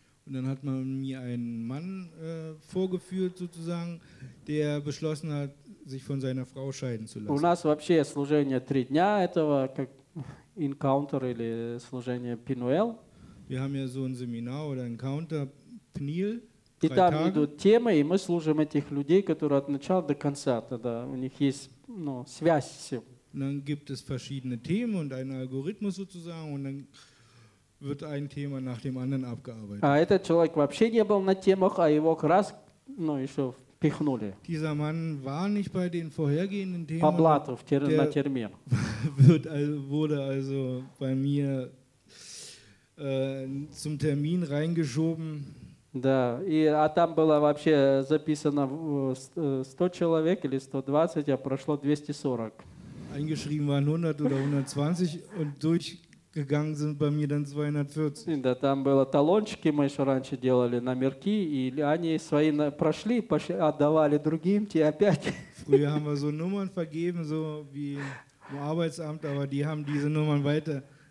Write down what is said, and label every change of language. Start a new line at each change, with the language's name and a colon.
German: Und dann hat man mir einen Mann vorgeführt, sozusagen, der beschlossen hat, sich von seiner Frau scheiden zu lassen.
Russian: У нас вообще служение три дня этого, как encounter или служение Пинуэл.
German: Wir haben ja so ein Seminar oder Encounter Пинуэл.
Russian: И там идут темы, и мы служим этих людей, которые от начала до конца, тогда у них есть, ну, связь с ним.
German: Dann gibt es verschiedene Themen und einen Algorithmus sozusagen, und dann wird ein Thema nach dem anderen abgearbeitet.
Russian: А этот человек вообще не был на темах, а его как раз, ну, еще пихнули.
German: Dieser Mann war nicht bei den vorhergehenden Themen.
Russian: По блату, на термин.
German: Wurde also bei mir zum Termin reingeschoben.
Russian: Да, и, а там было вообще записано 100 человек или 120, а прошло 240.
German: Eingeschrieben waren 100 oder 120 und durchgegangen sind bei mir dann 240.
Russian: Да, там было талончики, мы еще раньше делали номерки, и они свои прошли, отдавали другим, те опять.
German: Früher haben wir so Nummern vergeben, so wie im Arbeitsamt, aber die haben diese Nummern weiter.